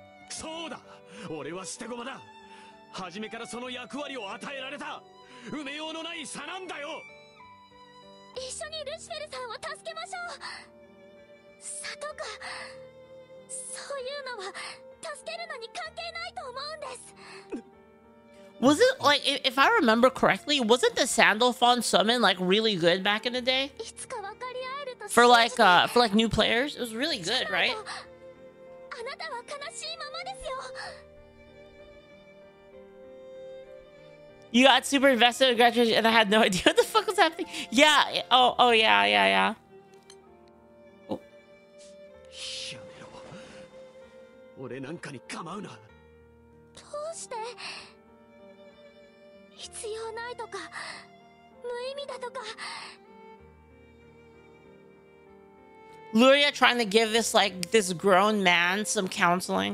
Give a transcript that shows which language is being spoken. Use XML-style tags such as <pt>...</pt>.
<ja>そうだ、俺は捨て駒だ。初めからその役割を与えられた埋めようのない差なんだよ。一緒にルシフェルさんを助けましょう。さとか、そういうのは助けるのに関係ないと思うんです。</ja> <en>Was it like, if I remember correctly, wasn't the Sandalphon summon like really good back in the day?</en> <ja>いつか分かり合えると。</ja> <en>For like new players, it was really good, right?</en> <ja>あなたは悲しいままですよ。</ja> <en>You got super invested in graduation and I had no idea what the fuck was happening. Yeah, oh yeah.</en> <ja>やめろ。俺なんかに構うな。どうして？必要ないとか、無意味だとか。</ja> <en>Luria trying to give this like this grown man some counseling.</en>